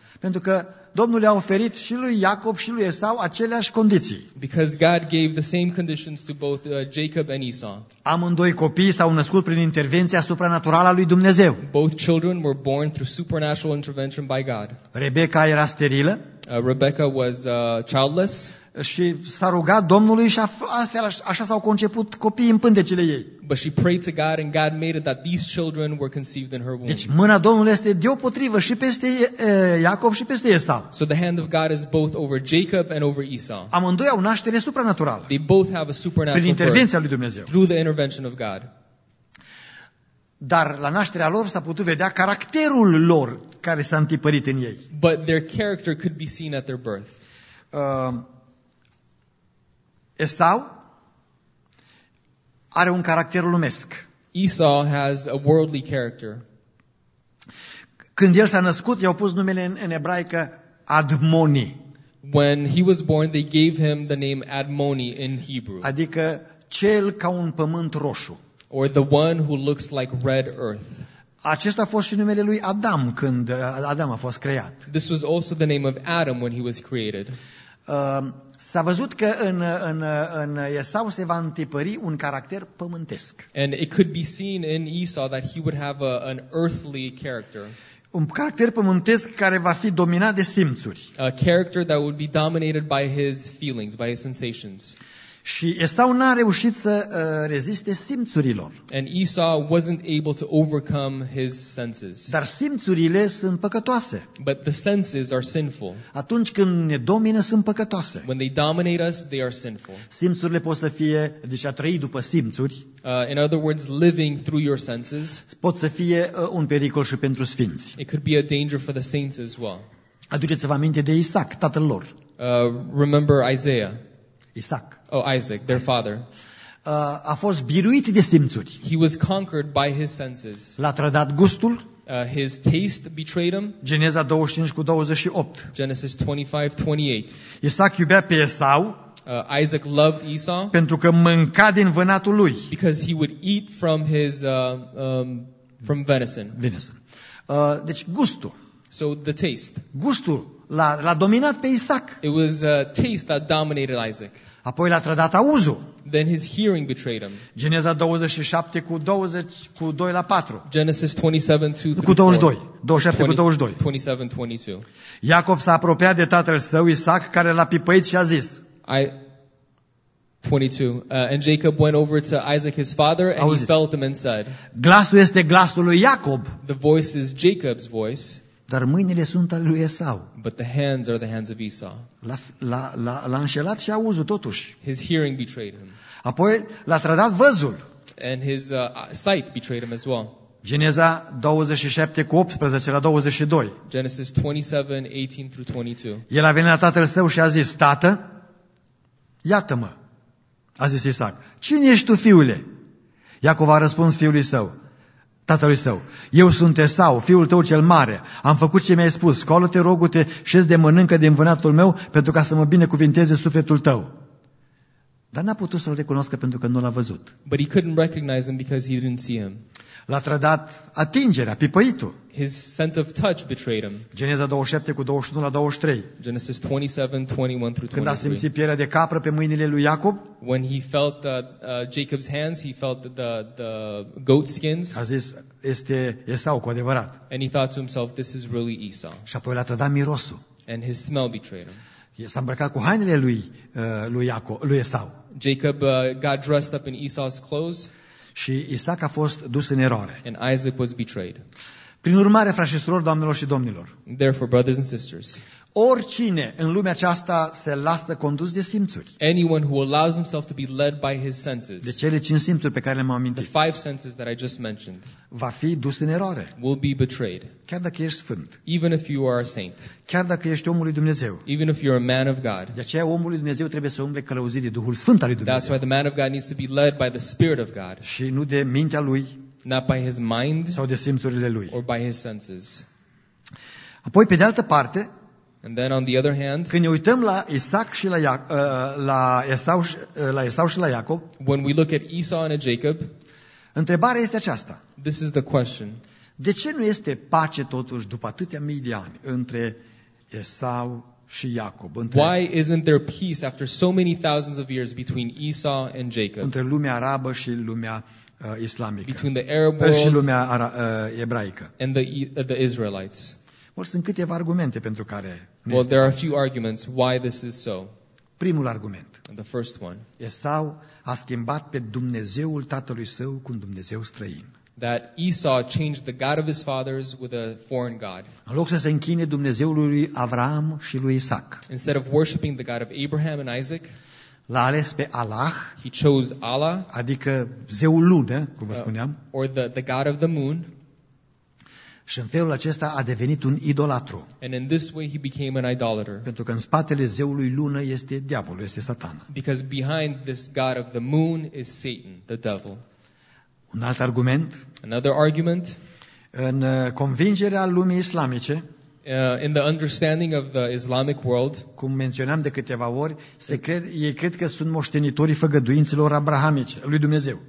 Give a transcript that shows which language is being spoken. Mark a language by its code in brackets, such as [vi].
[ro] Pentru că Domnul i-a oferit și lui Iacob și lui Esau aceleași condiții. [en] Because God gave the same conditions to both Jacob and Esau. [ro] Amândoi copiii s-au născut prin intervenția supranaturală a lui Dumnezeu. [en] Both children were born through supernatural intervention by God. [ro] Rebecca era sterilă. [en] Rebecca was childless. [ro] Și s-a rugat Domnului și așa s-au conceput copiii în pântecele ei. [en] But she prayed to God and God made it that these children were conceived in her womb. [ro] Deci mâna Domnului este deopotrivă și peste Iacob și peste Esau. [en] So the hand of God is both over Jacob and over Esau. [ro] Amândoi au naștere supranaturală. [en] They both have a supernatural birth. [ro] Prin intervenția lui Dumnezeu. [en] Through the intervention of God. [ro] Dar la nașterea lor s-a putut vedea caracterul lor care s-a întipărit în ei. [en] But their character could be seen at their birth. [ro] Esau are un caracter lumesc. [en] Esau has a worldly character. [ro] Când el s-a născut, i-au pus numele în ebraică Admoni. [en] When he was born, they gave him the name Admoni in Hebrew. [ro] Adică cel ca un pământ roșu. [en] Or the one who looks like red earth. [ro] Acesta a fost și numele lui Adam când Adam a fost creat. [en] This was also the name of Adam when he was created. [ro] S-a văzut că în Esau se va întipări un caracter pământesc. [en] And it could be seen in Esau that he would have an earthly character. [ro] Un caracter pământesc care va fi dominat de simțuri. [en] A character that would be dominated by his feelings, by his sensations. [ro] Și Esau n-a reușit să reziste simțurilor. [en] And Esau wasn't able to overcome his senses. [ro] Dar simțurile sunt păcătoase. [en] But the senses are sinful. [ro] Atunci când ne domină, sunt păcătoase. [en] When they dominate us, they are sinful. [ro] Simțurile pot să fie, deci a trăi după simțuri. [en] In other words, living through your senses. [ro] Pot să fie un pericol și pentru sfinți. [en] It could be a danger for the saints as well. [ro] Aduceți-vă aminte de Isaac, tatăl lor. [en] Remember Isaiah. Isaac. Oh, Isaac, their father. [ro] A fost biruit de simțuri. [en] He was conquered by his senses. [ro] L-a trădat gustul. [en] His taste betrayed him. [ro] Geneza 25:28. [en] Genesis 25:28. [ro] Isaac iubea pe Esau. [en] Isaac loved Esau. [ro] Pentru că mânca din vânatul lui. [en] Because he would eat from his from venison. [ro] Venison. Deci gustul. [en] So the taste. [ro] Gustul l-a dominat pe Isaac. [en] It was taste that dominated Isaac. [ro] Apoi l-a trădat auzul. [en] Then his hearing betrayed him. [ro] Geneza 27:20-4. [en] Genesis 27:22. [ro] Iacob s-a apropiat de tatăl său Isaac care l-a pipăit și a zis. 22. [en] And Jacob went over to Isaac his father and [ro] auziți. [en] He felt him and said. [ro] Glasul este glasul lui Iacob. [en] The voice is Jacob's voice. [ro] Dar mâinile sunt ale lui Esau. [en] But the hands are the hands of Esau. [ro] L-a înșelat și auzul totuși. [en] His hearing betrayed him. [ro] Apoi l-a trădat văzul. [en] And his sight betrayed him as well. [ro] Geneza 27 cu 18 la 22. [en] Genesis 27, 18 through 22. [ro] El a venit la tatăl său și a zis: Tată, iată-mă. A zis Isaac: Cine ești tu, fiule? Iacov a răspuns fiului său, tatălui său: Eu sunt Esau, fiul tău cel mare. Am făcut ce mi-ai spus. Scoală-te, rogu-te, șezi de mănâncă din vânatul meu, pentru ca să mă binecuvinteze sufletul tău. Dar n-a putut să-l recunoască pentru că nu l-a văzut. [en] But he couldn't recognize him because he didn't see him. [ro] L-a trădat atingerea, pipăitul. [en] His sense of touch betrayed him. [ro] Geneza 27 cu 21 la 23. [en] Genesis 27, 21 through 23. [ro] Când a simțit pielea de capră pe mâinile lui Iacob, [en] when he felt the, Jacob's hands, he felt the goat skins. [ro] A zis: Este Esau cu adevărat. [en] And he thought to himself, this is really Esau. [ro] Și apoi l-a trădat mirosul. [en] And his smell betrayed him. [ro] S-a îmbrăcat cu hainele lui Esau. [en] Jacob got dressed up in Esau's clothes. [ro] Și Isaac a fost dus în eroare. [en] And Isaac was betrayed. [ro] Prin urmare, frați și surori, doamnelor și domnilor. [en] Therefore, brothers and sisters. [ro] Oricine în lumea aceasta se lasă condus de simțuri. [en] Anyone who allows himself to be led by his senses. [ro] De cele cinci simțuri pe care le-am amintit. [en] The five senses that I just mentioned. [ro] Va fi dus în eroare. [en] Will be betrayed. [ro] Chiar dacă ești sfânt. [en] Even if you are a saint. [ro] Chiar dacă ești omul lui Dumnezeu. [en] Even if you are a man of God. [ro] De aceea omul lui Dumnezeu trebuie să umble călăuzit de Duhul Sfânt al lui Dumnezeu. [en] That's why the man of God needs to be led by the Spirit of God. [ro] Și nu de mintea lui. [en] Not by his mind. [ro] Sau de simțurile lui. [en] Or by his senses. [ro] Apoi, pe de altă parte, [en] and then on the other hand, [ro] când ne uităm la Isaac și la Esau și la Iacob, [en] when we look at Esau and at Jacob, [ro] întrebarea este aceasta. [en] This is the question. [ro] De ce nu este pace totuși după atâtea mii de ani între Esau și Iacob? Între, [en] why isn't there peace after so many thousands of years between Esau and Jacob? [ro] Între lumea arabă și lumea islamică. [en] Between the Arab world [ro] și lumea ebraică. [en] And the Israelites. [ro] Sunt câteva argumente pentru care. [en] Well, there are a few arguments why this is so. [ro] Primul argument. [en] The first one. [ro] Esau a schimbat pe Dumnezeul tatălui său cu un Dumnezeu străin. [en] That Esau changed the God of his fathers with a foreign God. [ro] În loc să se închine Dumnezeului lui Avraam și lui Isaac. [en] Instead of worshiping the God of Abraham and Isaac. [ro] L-a ales pe Allah. [en] He chose Allah. [ro] Adică zeul lună, cum vă spuneam. [en] Or the God of the moon. [ro] Și în felul acesta a devenit un idolatru. [en] And in this way he became an idolater. [ro] Pentru că în spatele zeului lună este diavolul, este satana. [en] Because behind this god of the moon is Satan, the devil. [ro] Un alt argument. [en] Another argument. [ro] În convingerea lumii islamice. [en] In the understanding of the Islamic world. [ro] Cum menționam de câteva ori, ei cred că sunt moștenitorii făgăduințelor abrahamice, lui Dumnezeu.